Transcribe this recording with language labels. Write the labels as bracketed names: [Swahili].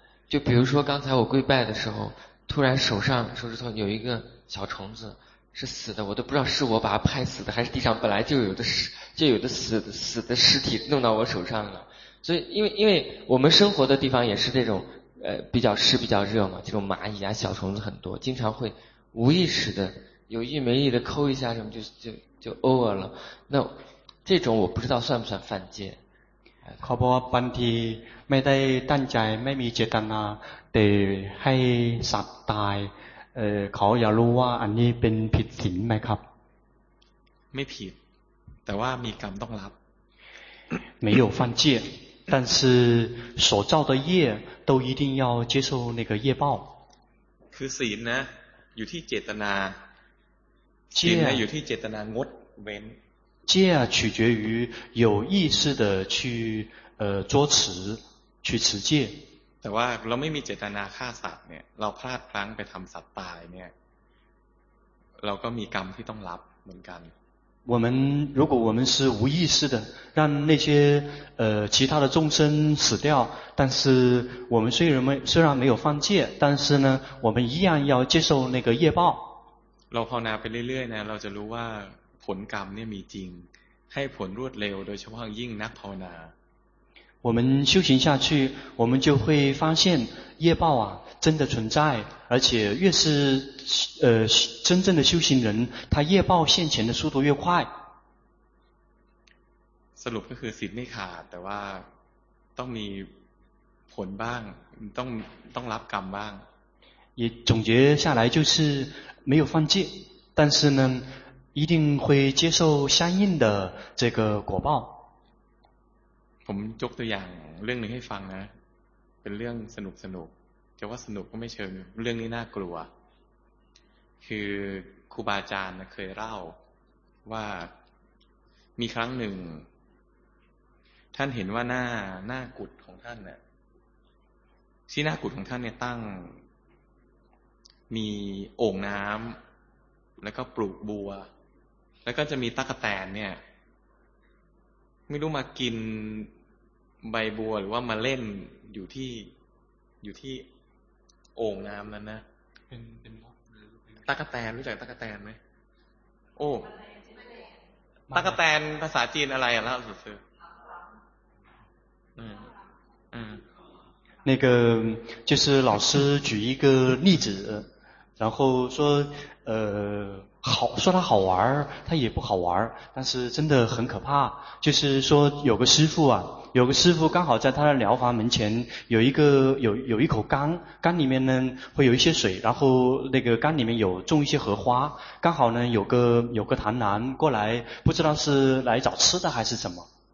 [Chinese] 就比如说刚才我跪拜的时候，突然手指头有一个小虫子是死的，我都不知道是我把它拍死的，还是地上本来就有的死的尸体弄到我手上了。所以，因为我们生活的地方也是这种。比较湿比较热嘛这种蚂蚁啊小虫子很多经常会无意识的有意没意的抠一下什么就 over 了那这种我不知道算不算犯戒 [Thai] เขาบอกว่าบางทีไม่ได้ตั้งใจไม่มีเจตนาแต่ให้สัตว์ตายเขาอยากรู้ว่าอันนี้เป็นผิดศีลไหมครับ ไม่ผิดแต่ว่ามีกรรมต้องรับ [Chinese] 没有犯戒但是所造的业都一定要接受那个业报 [Thai] คือศีลนะอยู่ที่เจตนา ศีล อยู่ที่เจตนางดเว้น [Chinese] 戒取决于有意识的去捉持去持戒 [Thai] แต่ว่าเราไม่มีเจตนาฆ่าสัตว์เนี่ยเราพลาดพลั้งไปทำสัตว์ตายเนี่ยเราก็มีกรรมที่ต้องรับเหมือนกัน [Chinese] 如果我们是无意识的让那些其他的众生死掉但是我们虽然没有犯戒但是呢我们一样要接受那个业报 [Thai] เราภาวนาไปเรื่อยๆนะเราจะรู้ว่าผลกรรมเนี่ยมีจริงให้ผลรวดเร็วโดยเฉพาะยิ่งนักภาวนา [Chinese] 我们修行下去我们就会发现业报啊真的存在而且越是真正的修行人他业报现前的速度越快 [Thai] สรุปก็คือศีลไม่ขาดแต่ว่าต้องมีผลบ้างต้องรับกรรมบ้าง [Chinese] 也总结下来就是没有犯戒但是呢一定会接受相应的这个果报 [Thai] ผมยกตัวอย่างเรื่องหนึ่งให้ฟังนะเป็นเรื่องสนุกสนุกจะว่าสนุกก็ไม่เชิงเรื่องนี้น่ากลัวคือครูบาอาจารย์เคยเล่าว่ามีครั้งหนึ่งท่านเห็นว่าหน้ากุฏของท่านเนี่ยที่หน้ากุฏของท่านเนี่ยตั้ง มีโอ่งน้ำแล้วก็ปลูกบัวแล้วก็จะมีตั๊กแตนเนี่ยไม่รู้มากินใบบัวหรือว่ามาเล่นอยู่ที่โอ่งน้ำนั้นนะ เป็นนก ตั๊กแตนรู้จักตั๊กแตนไหมโอ้ตั๊กแตนภาษาจีนอะไรอ่ะแล้วสุดๆ [Chinese] 那个就是老师举一个例子，然后说好，说他好玩他也不好玩，但是真的很可怕。就是说有个师父啊，有个师父刚好在他的疗房门前有一个有一口缸，缸里面呢会有一些水，然后那个缸里面有种一些荷花，刚好呢有个螳螂过来，不知道是来找吃的还是什么。